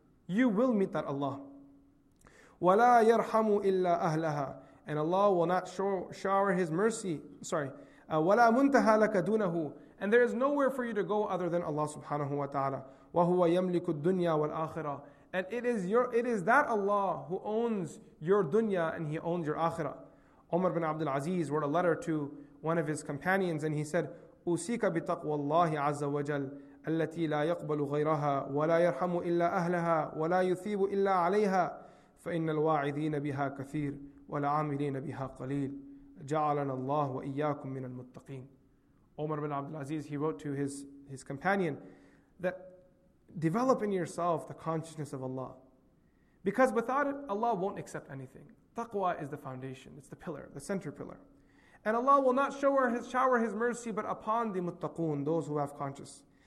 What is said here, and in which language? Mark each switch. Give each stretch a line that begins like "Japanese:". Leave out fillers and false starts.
English: You will meet that Allah.
Arabic: وَلَا يَرْحَمُ إِلَّا أَهْلَهَا,
English: and Allah will not shower His mercy. Sorry.
Arabic: وَلَا مُنْتَهَى لَكَ دُونَهُ,
English: and there is nowhere for you to go other than Allah subhanahu wa ta'ala.
Arabic: وَهُوَ يَمْلِكُ الدُّنْيَا وَالْآخِرَةَ,
English: and it is that Allah who owns your dunya and He owns your akhirah. Umar bin Abdul Aziz wrote a letter to one of his companions and he said,
Arabic: أُوسِيكَ بِتَقْوَى اللَّهِ عَزَّ وَجَلْ الَّتِي لَا يَقْبَلُ غَيْرَهَا وَلَا يَرْحَمُ إِلَّا أَهْلَهَا وَلَا يُثِيبُ إِلَّا عَلَيْهَا فَإِنَّ الْوَاعِذِينَ بِهَا كَثِيرٌ وَالْعَامِلِينَ بِهَا قَلِيلٌ جَعَلَنَا اللَّهُ وَإِيَّاكُم مِّنَ الْمُتَّقِينَ.
English: Umar bin Abdul Aziz, he wrote to his companion that develop in yourself the consciousness of Allah, because without it, Allah won't accept anything. Taqwa is the foundation, it's the pillar, the center pillar. And Allah will not shower His mercy but upon the muttaqoon, those who have conscience.